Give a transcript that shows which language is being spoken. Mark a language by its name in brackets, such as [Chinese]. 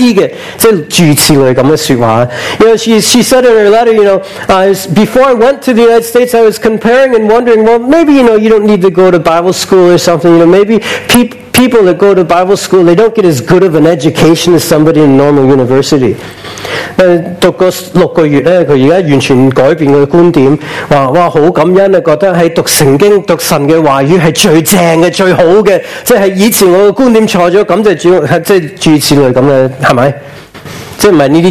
[Chinese] 因为她说我之前在比较去读神的圣经大学，那是哪样好一点的？之前觉得是读正常大学是都是好一点，可能人家读神学那些是差一点的，就是诸如此类的说话。 [English] You know, she said in her letter, you know, before I went to the United States, I was comparing and wondering, well, maybe, you know, you don't need to go to Bible school or something, you know, maybe people that go to Bible school, they don't get as good of an education as somebody in a normal university. [Chinese] 读了六个月，她现在完全改变她的观点，说很感恩，觉得读圣经、读神的话语是最正的、最好的，即是以前我的观点错了，感谢主，即是诸如此类的，是不是？